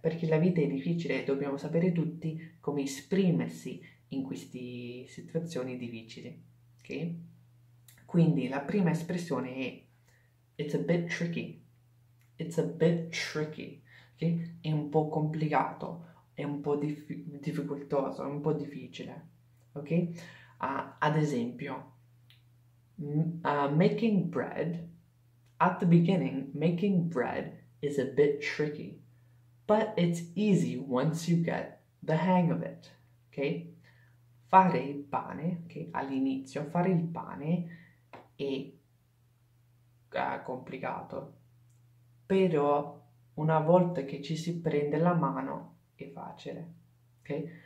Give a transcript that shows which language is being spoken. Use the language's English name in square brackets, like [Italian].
[Italian] Perché la vita è difficile e dobbiamo sapere tutti come esprimersi in queste situazioni difficili. Ok? Quindi la prima espressione è [English] It's a bit tricky. It's a bit tricky. Ok? [Italian] È un po' complicato. È un po' difficoltoso, è un po' difficile, ok? Ad esempio, [English] making bread, at the beginning, making bread is a bit tricky, but it's easy once you get the hang of it, ok? [Italian] Fare il pane, ok? All'inizio, fare il pane è complicato, però una volta che ci si prende la mano, è facile, ok?